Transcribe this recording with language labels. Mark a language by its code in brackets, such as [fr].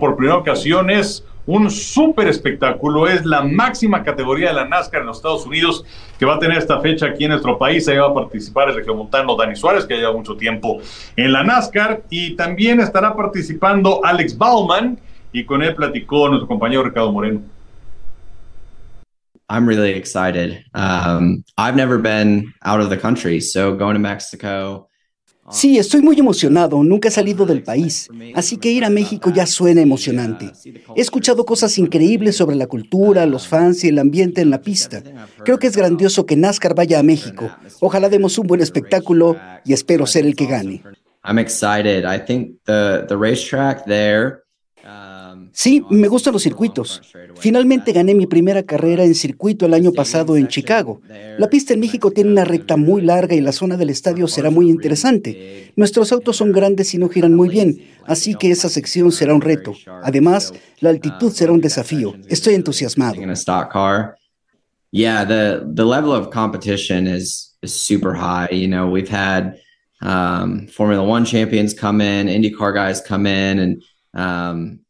[es] Por primera ocasión es un súper espectáculo, es la máxima categoría de la NASCAR en los Estados Unidos, que va a tener esta fecha aquí en nuestro país. Ahí va a participar el regiomontano Dani Suárez, que ha llevado mucho tiempo en la NASCAR, y también estará participando Alex Bowman, y con él platicó nuestro compañero Ricardo Moreno. [en] I'm really excited. I've never been out of the country, so going to Mexico. [es] Sí, estoy muy emocionado. Nunca he salido del país, así que ir a México ya suena emocionante. He escuchado cosas increíbles sobre la cultura, los fans y el ambiente en la pista. Creo que es grandioso que NASCAR vaya a México. Ojalá demos un buen espectáculo y espero ser el que gane. [en] I'm excited. I think the racetrack there. [es] Sí, me gustan los circuitos. Finalmente gané mi primera carrera en circuito el año pasado en Chicago. La pista en México tiene una recta muy larga y la zona del estadio será muy interesante. Nuestros autos son grandes y no giran muy bien, así que esa sección será un reto. Además, la altitud será un desafío. Estoy entusiasmado. [en] Yeah, the level of competition is super high. You know, we've had Formula One champions come in, IndyCar guys come in, and